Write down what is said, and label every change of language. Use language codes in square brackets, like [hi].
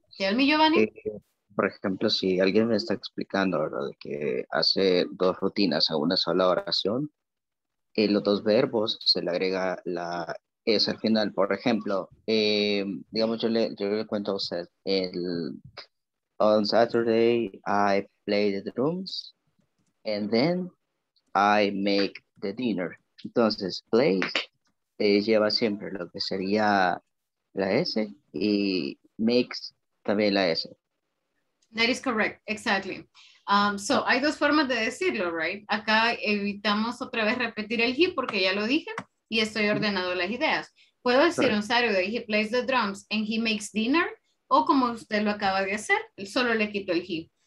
[en] Tell me, Giovanni. [es] Por ejemplo, si alguien me está explicando, ¿verdad?, que hace dos rutinas a una sola oración, en los dos verbos se le agrega la S al final. Por ejemplo, digamos, yo le cuento a usted el... [en] On Saturday, I play the drums, and then I make the dinner. [es] Entonces, play lleva siempre lo que sería la S, y makes también la S. [en] That is correct, exactly. So, [es] hay dos formas de decirlo, [en] right? [es] Acá evitamos otra vez repetir el he, porque ya lo dije, y estoy ordenando las ideas. Puedo decir [en] correct. On Saturday, he plays the drums, and he makes dinner. [es] O como usted lo acaba de hacer, solo le quito el he.